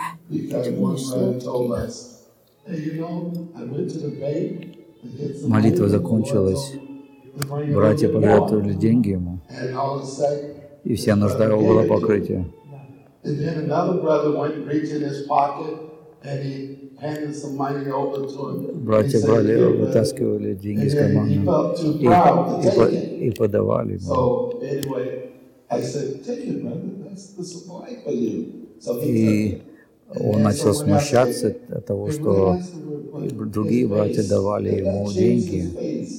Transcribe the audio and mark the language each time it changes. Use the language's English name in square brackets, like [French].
[English] Because one brother told us, hey, you know, I went to the bank to get some money. [Russian] Братья пожертвовали деньги ему, и вся нужда его была покрытия. [English] And then another brother went and reached in his pocket, and he handed some money over to him. [Russian] Братья брали, вытаскивали деньги из кармана и подавали ему. [English] So anyway, I said, take it, brother. That's the supply for you. So [Russian] he Он начал смущаться от того, что другие братья давали ему деньги.